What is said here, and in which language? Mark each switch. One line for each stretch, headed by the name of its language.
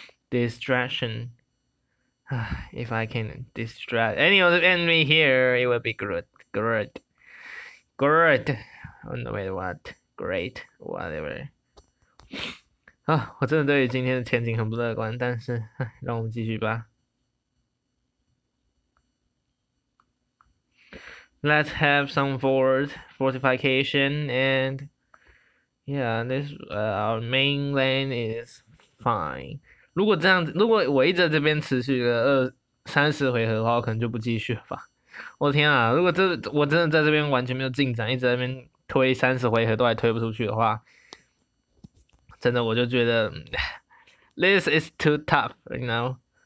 English: Distraction. If I can distract any of the enemy here, it will be good. Great. Great. Oh, no, wait, what? Great. Whatever.
Chinese: 啊，我真的对于今天的前景很不乐观，但是，让我们继续吧。
English: Let's have some fortification and yeah, this, our mainland is fine.
Chinese: 如果这样子，如果我一直在这边持续个20-30回合的话，我可能就不继续了吧。我天啊！如果这我真的在这边完全没有进展，一直在那边推30回合都还推不出去的话，真的我就觉得
English: this is too tough， you know？